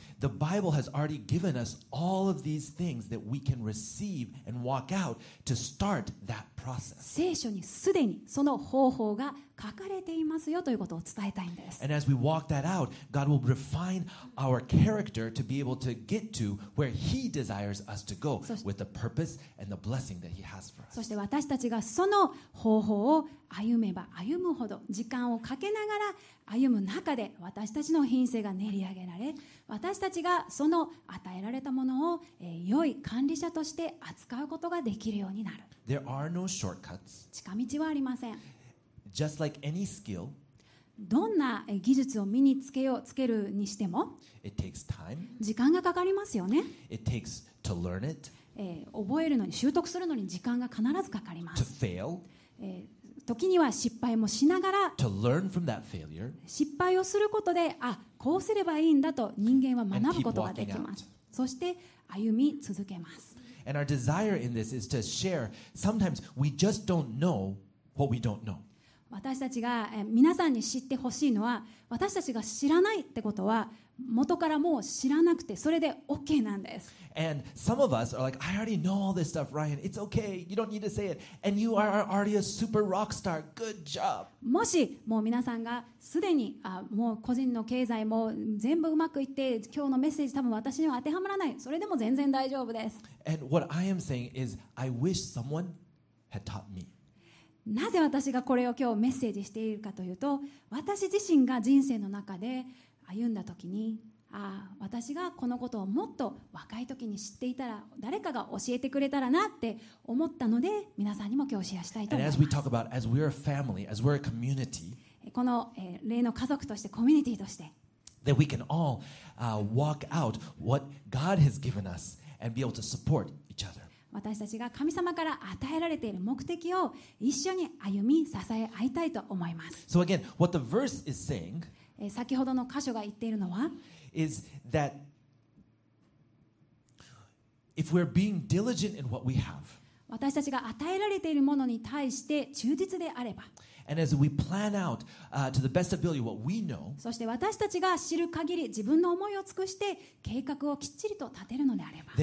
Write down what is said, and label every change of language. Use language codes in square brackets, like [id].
[en] The Bible has already given us all of these things that we can receive and walk out to start that process. [ja] 聖書にすでにその方法が書かれていますよということを伝えたいんです。 [en] And as we walk that out, God will refine our character to be able to get to where He desires us to go with the purpose and the blessing that He has for us. [ja] そして私たちがその方法を歩めば歩むほど、時間をかけながら歩む中で、私たちの品性が練り上げられ、私たちがその与えられたものを良い管理者として扱うことができるようになる。 [en] There are no shortcuts. [ja] 近道はありません。 [en] Just like any skill, [ja] どんな技術を身につけようつけるにしても、 [en] It takes time. [ja] 時間がかかりますよね。 [en] It takes to learn it. [ja] 覚えるのに、習得するのに時間が必ずかかります。 [en] To fail. [ja] 時には失敗もしながら、 [en] to learn from that failure. [ja] 失敗をすることで、あ、こうすればいいんだと人間は学ぶことができます。そして歩み続けます。 [en] And our desire in this is to share. Sometimes we just don't know what we don't know. [ja] 私たちが皆さんに知ってほしいのは、私たちが知らないってことは元からもう知らなくてそれで OK なんです。 [en] And some of us are like, I already know all this stuff, Ryan. It's OK. You don't need to say it. And you are already a super rock star. Good job. [ja] もしもう皆さんがすでに、あ、もう個人の経済も全部うまくいって、今日のメッセージ多分私には当てはまらない、それでも全然大丈夫です。 [en] And what I am saying is, I wish someone had taught me. [ja] なぜ私がこれを今日メッセージしているかというと、私自身が人生の中で歩んだ時に、ああ、私がこのことをもっと若い時に知っていたら、誰かが教えてくれたらなって思ったので、皆さんにも今日シェアしたいと思います。 [en] And as we talk about, as we're a family, as we're a community, [ja] この、例の家族として、コミュニティとして、 [en] that we can all, walk out what God has given us and be able to support each other. [ja] 私たちが神様から与えられている目的を一緒に歩み支え合いたいと思います。 [en] So again, what the verse is saying, [ja] 先ほどの箇所が言っているのは、 [en] is that if we're being diligent in what we have, [ja] 私たちが与えられているものに対して忠実であれば、 [en] and as we plan out, to the best ability what we know, [ja] そして私たちが知る限り自分の思いを尽くして計画をきっちりと立てるのであれば、